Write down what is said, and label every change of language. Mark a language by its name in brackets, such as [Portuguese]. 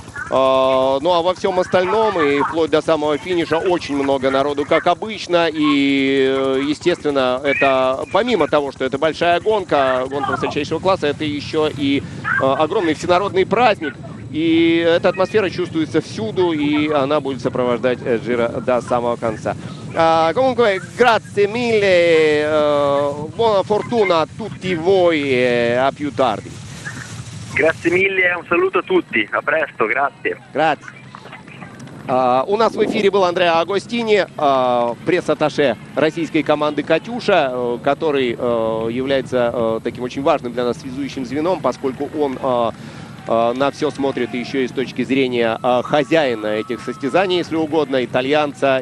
[Russian] Ну а во всем остальном, и вплоть до самого финиша, очень много народу, как обычно. И, естественно, это помимо того, что это большая гонка высочайшего класса, это еще и огромный всенародный праздник. И эта атмосфера чувствуется всюду, и она будет сопровождать Джиро до самого конца. [Italian] Comunque, grazie mille, buona fortuna a tutti voi, a più tardi. Grazie mille, un saluto a tutti. A presto, grazie. Grazie. [Russian] У нас в эфире был Андреа Агостини, пресс-атташе российской команды «Катюша», который является таким очень важным для нас связующим звеном, поскольку он на все смотрит еще и с точки зрения хозяина этих состязаний, если угодно, итальянца.